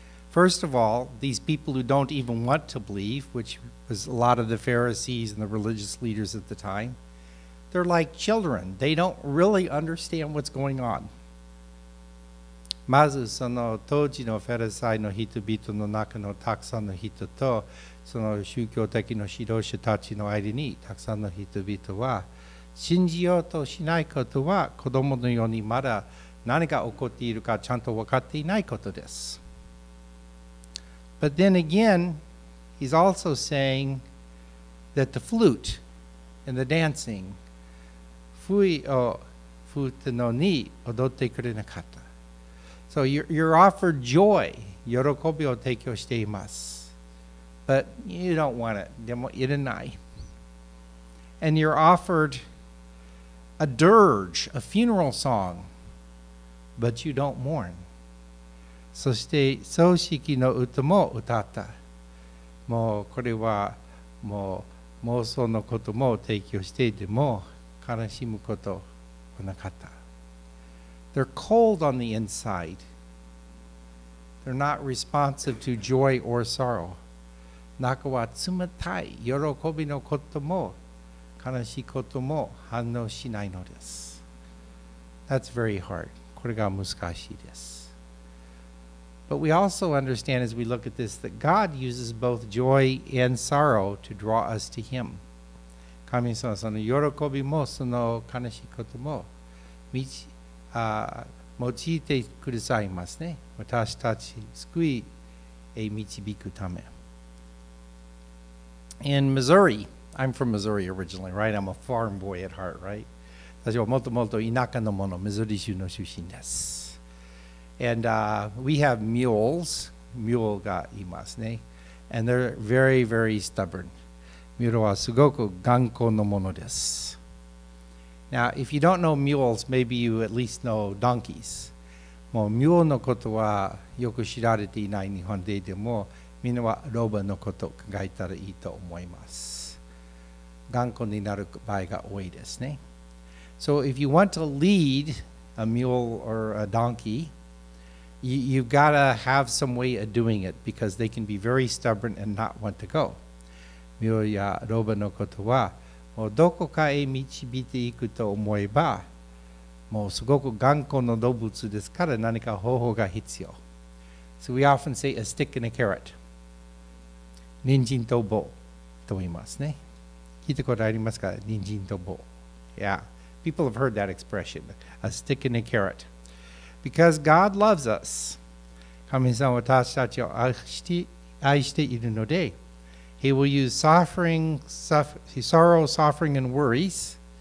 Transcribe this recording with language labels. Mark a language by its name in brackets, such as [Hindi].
[English] First of all, these people who don't even want to believe, which was a lot of the Pharisees and the religious leaders at the time, they're like children. They don't really understand what's going on. [Japanese] まずその当時のフェルサイの人々の中のたくさんの人とその宗教的の指導者たちの間にたくさんの人々は信じようとしないことは子供のようにまだ何が起こっているかちゃんと分かっていないことです。 [English] But then again, he's also saying that the flute and the dancing, [Japanese] 笛を吹いたのに踊ってくれなかった。 [English] So you're offered joy, [Japanese] 喜びを提供しています。 [English] But you don't want it, [Japanese] でも入れない。 [English] And you're offered a dirge, a funeral song, but you don't mourn. [Japanese] そして葬式の歌も歌った。もうこれはもう妄想のことも提供して、でも悲しむことはなかった。 [English] They're cold on the inside. They're not responsive to joy or sorrow. [Japanese] 中は冷たい。喜びのことも悲しいことも反応しないのです。 [English] That's very hard. [Japanese] これが難しいです。 [English] But we also understand as we look at this that God uses both joy and sorrow to draw us to Him. [Japanese] 神様その喜びもその悲しいことも用いてくださいますね。私たち救いへ導くため。 [English] In Missouri, I'm from Missouri originally, right? I'm a farm boy at heart, right? [Japanese] 私はもともと田舎のもの、ミズーリ州の出身です。 [English] And we have mules, mule [Japanese] がいますね。 [English] And they're very, very stubborn. [Japanese] ミュールはすごく頑固のものです。 [English] Now, if you don't know mules, maybe you at least know donkeys. [Japanese] もう mule のことはよく知られていない日本で、でもみんなはロバのことを考えたらいいと思います。頑固になる場合が多いですね。 [English] So if you want to lead a mule or a donkey, you've got to have some way of doing it because they can be very stubborn and not want to go. [Japanese] Mule やロバのことはもうどこかへ導いていくと思えばもうすごく頑固な動物ですから何か方法が必要。 [English] So we often say a stick and a carrot. [Japanese] 人参と棒と言いますね。聞いたことありますか? 人参と棒。 [English] Yeah. People have heard that expression. A stick and a carrot. Because God loves us. [Japanese] 神様は私たちを愛しているので [English] He will use suffering, sorrow, suffering, and worries,